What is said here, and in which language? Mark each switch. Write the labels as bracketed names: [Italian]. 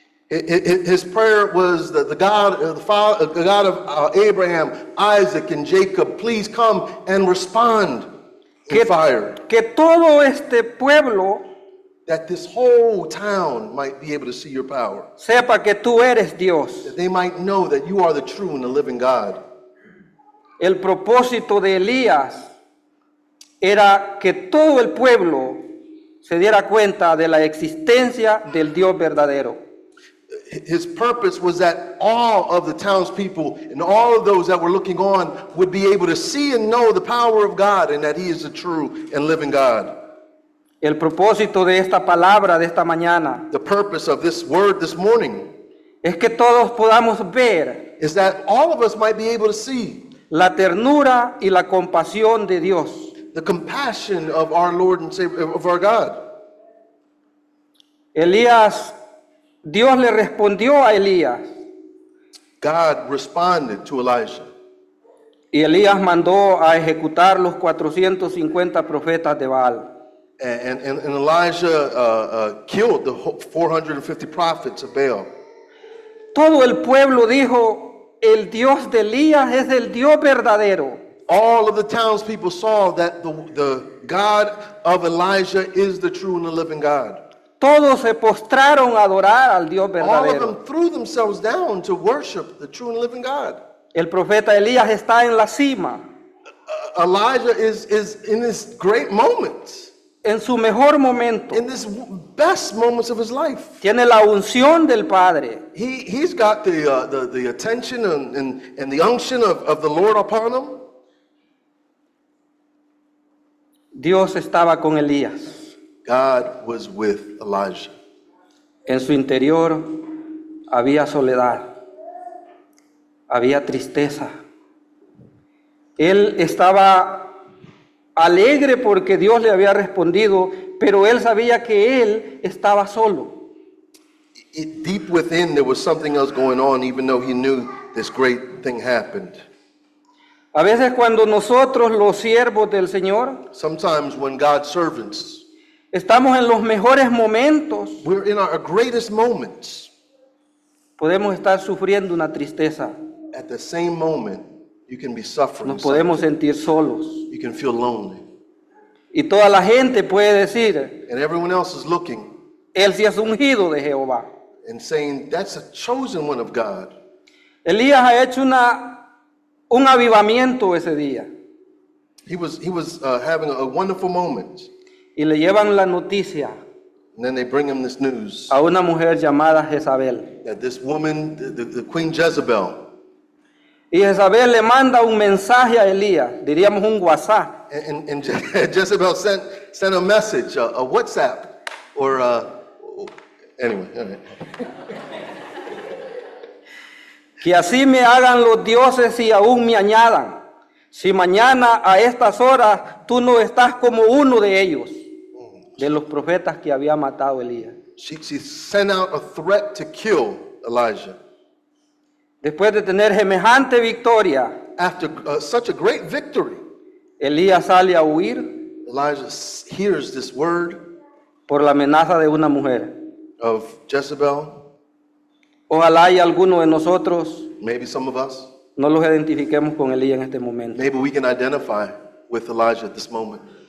[English] His prayer was that the God, the Father, the God of Abraham, Isaac, and Jacob, please come and respond in [Spanish] que, [English] fire. [Spanish] Que todo este pueblo, [English] that this whole town might be able to see your power. [Spanish] Sepa que tú eres Dios. [English] That they might know that you are the true and the living God. [Spanish] El propósito de Elías era que todo el pueblo se diera cuenta de la existencia del Dios verdadero. [English] His purpose was that all of the townspeople and all of those that were looking on would be able to see and know the power of God and that he is the true and living God. [Spanish] El propósito de esta palabra de esta mañana, [English] the purpose of this word this morning, [Spanish] es que todos podamos ver, [English] is that all of us might be able to see, [Spanish] la ternura y la compasión de Dios, [English] the compassion of our Lord and Savior, of our God. [Spanish] Elías, Dios le respondió a Elías. [English] God responded to Elijah. [Spanish] Y Elías mandó a ejecutar los 450 profetas de Baal. [English] And Elijah killed the 450 prophets of Baal. [Spanish] Todo el pueblo dijo, el Dios de Elías es el Dios verdadero. [English] All of the townspeople saw that the God of Elijah is the true and the living God. [Spanish] Todos se postraron a adorar al Dios verdadero. [English] All of them threw themselves down to worship the true and living God. [Spanish] El profeta Elías está en la cima. [English] Elijah is in this great moment. [Spanish] En su mejor momento. [English] In this best moments of his life. [Spanish] Tiene la unción del Padre. [English] He's got the attention and the unction of the Lord upon him. [Spanish] Dios estaba con Elías. [English] God was with Elijah. [Spanish] En su interior había soledad. Había tristeza. Él estaba alegre porque Dios le había respondido, pero él sabía que él estaba solo. [English] Deep within there was something else going on, even though he knew this great thing happened. [Spanish] A veces cuando nosotros los siervos del Señor, [English] sometimes when God's servants, [Spanish] estamos en los mejores momentos, [English] we're in our greatest moments, [Spanish] podemos estar sufriendo una tristeza. [English] At the same moment, you can be suffering. [Spanish] Nos podemos sentir solos. [English] You can feel lonely. [Spanish] Y toda la gente puede decir, [English] and everyone else is looking, [Spanish] él sí es ungido de Jehová, [English] and saying, that's a chosen one of God. [Spanish] Elías ha hecho un avivamiento ese día. [English] He was having a wonderful moment. [Spanish] Y le llevan la noticia. [English] And then they bring him this news. [Spanish] A una mujer llamada Jezabel. [English] That this woman, the Queen Jezebel. [Spanish] Y Jezabel le manda un mensaje a Elías, diríamos un WhatsApp. [English] And Jezebel sent a message, a WhatsApp, or anyway. All right. [Spanish] Que así me hagan los dioses y aún me añadan, si mañana a estas horas tú no estás como uno de ellos, de los profetas que había matado Elías. [English] She sent out a threat to kill Elijah. [Spanish] Después de tener semejante victoria, [English] after such a great victory, [Spanish] Elías sale a huir. [English] Elijah hears this word, [Spanish] por la amenaza de una mujer, [English] of Jezebel. [Spanish] Ojalá y alguno de nosotros, [English] maybe some of us, [Spanish] no los identifiquemos con Elías en este momento. [English] Maybe we can identify with Elijah at this moment.